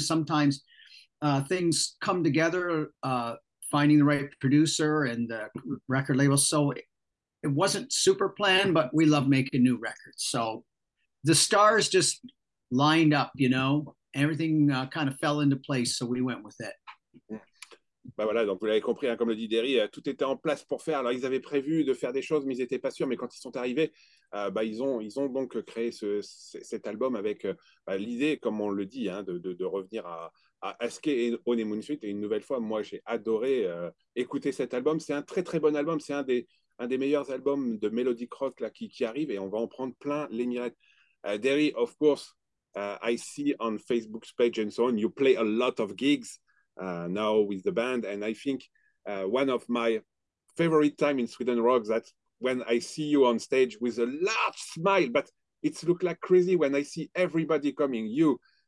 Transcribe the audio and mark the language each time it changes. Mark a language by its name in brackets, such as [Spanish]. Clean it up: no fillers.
[English] Sometimes things come together, finding the right producer and the record label. So it wasn't super planned, but we love making new records. So the stars just lined up, you know, everything kind of fell into place. So we went with it. [French] Ben voilà, donc vous l'avez compris, hein, comme le dit Derry, tout était en place pour faire. Alors, ils avaient prévu de faire des choses, mais ils n'étaient pas sûrs. Mais quand ils sont arrivés, ils ont donc créé cet album avec l'idée, comme on le dit, hein, de revenir à ce qu'est Honeymoon Suite. Et une nouvelle fois, moi, j'ai adoré écouter cet album. C'est un très, très bon album. C'est un des meilleurs albums de melodic rock là, qui arrive. Et on va en prendre plein les mirettes. [English] Derry, of course, I see on Facebook's page and so on, you play a lot of gigs. Now with the band, and I think one of my favorite time in Sweden Rock, that when I see you on stage with a large smile, but it's look like crazy when I see everybody coming, you,